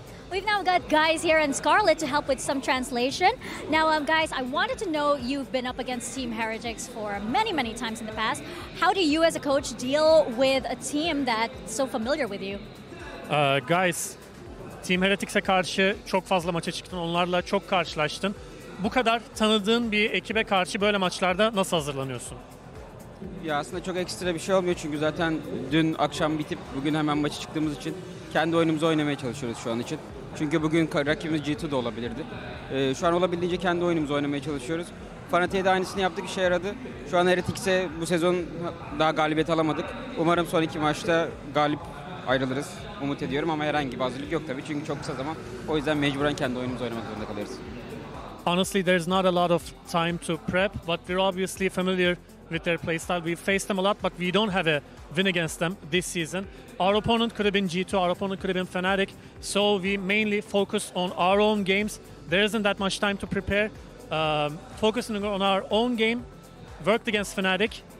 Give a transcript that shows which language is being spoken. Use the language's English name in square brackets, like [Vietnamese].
[English] We've now got Guys here and Scarlett to help with some translation. Now, Guys, I wanted to know, you've been up against Team Heretics for many, many times in the past. How do you as a coach deal with a team that's so familiar with you? [Turkish] Guys, Team Heretics'e karşı çok fazla maça çıktın, onlarla çok karşılaştın. Bu kadar tanıdığın bir ekibe karşı böyle maçlarda nasıl hazırlanıyorsun? Ya aslında çok ekstra bir şey olmuyor çünkü zaten dün akşam bitip bugün hemen maça çıktığımız için kendi oyunumuzu oynamaya çalışıyoruz şu an için. Çünkü bugün rakibimiz G2 da olabilirdi. Şu an olabildiğince kendi oyunumuzu oynamaya çalışıyoruz. Fnatic'e de aynısını yaptık, işe yaradı. Şu an Heretics'e bu sezon daha galibiyet alamadık. Umarım son iki maçta galip ayrılırız. Umut ediyorum ama herhangi bir hazırlık yok tabii çünkü çok kısa zaman. O yüzden mecburen kendi oyunumuzu oynamak zorunda kalıyoruz. [English] Honestly, there's not a lot of time to prep, but we're obviously familiar with their playstyle. We've faced them a lot, but we don't have a win against them this season. Our opponent could have been G2, our opponent could have been Fnatic, so we mainly focus on our own games. There isn't that much time to prepare. Focusing on our own game, worked against Fnatic.